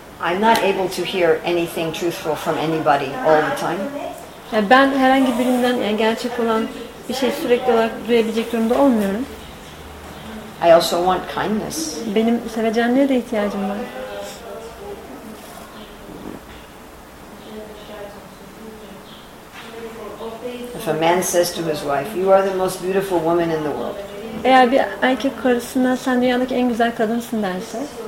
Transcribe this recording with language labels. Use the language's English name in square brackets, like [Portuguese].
[English] I'm not able to hear anything truthful from anybody all the time. [Turkish] Yani ben herhangi birinden yani gerçek olan bir şey sürekli olarak duyabilecek durumda olmuyorum. [English] I also want kindness. [Turkish] Benim sevecenliğe de ihtiyacım var. [English] If a man says to his wife, "You are the most beautiful woman in the world." [Turkish] Eğer bir erkek karısına sen dünyadaki en güzel kadınsın derse.